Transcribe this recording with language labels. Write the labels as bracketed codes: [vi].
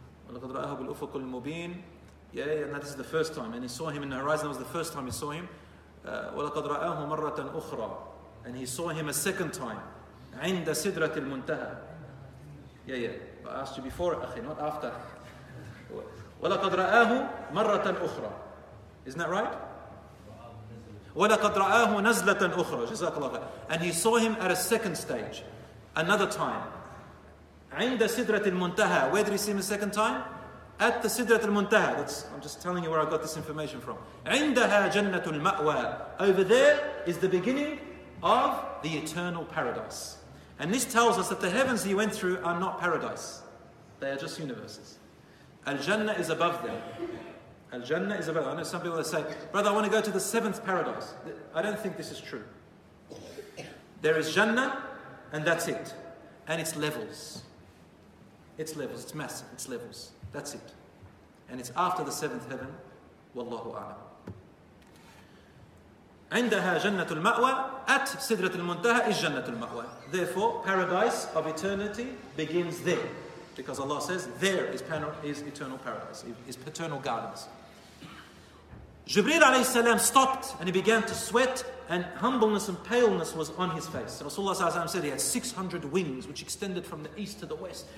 [ar] وَلَقَدْ رَآهُ بِالْأُفَقُ الْمُبِينَ [en] Yeah, and that is the first time. And he saw him in the horizon. That was the first time he saw him. [ar] وَلَقَدْ رَآهُ مَرَّةً أُخْرَى [en] And he saw him a second time. [ar] عند سدرة المنتهى. [en] Yeah, yeah. I asked you before, أخي, not after. [ar] وَلَقَدْ رَآهُ مَرَّةً أُخْرَى [en] Isn't that right? [ar] وَلَقَدْ رَآهُ نَزْلَةً أُخْرَى جزاك الله خير. [en] And he saw him at a second stage. Another time. [ar] عند سدرة المنتهى. [en] Where did he see him a second time? At the سدرة المنتهى. I'm just telling you where I got this information from. [ar] عندها جنة المأوى. [en] Over there is the beginning of the eternal paradise. And this tells us that the heavens he went through are not paradise. They are just universes. Al-Jannah is above them. Al-Jannah is above them. I know some people say, brother, I want to go to the seventh paradise. I don't think this is true. There is Jannah, and that's it. And it's levels. It's levels. It's massive. It's levels. That's it. And it's after the seventh heaven. Wallahu a'lam. [ar] عندها جنة المأوى [en] at [ar] سدرة المنتهى [en] is [ar] جنة المأوى. [en] Therefore, paradise of eternity begins there. Because Allah says, there is eternal paradise, is paternal gardens. Jibreel alayhi salam stopped and he began to sweat, and humbleness and paleness was on his face. Rasulullah sallallahu alayhi wa sallam said he had 600 wings which extended from the east to the west.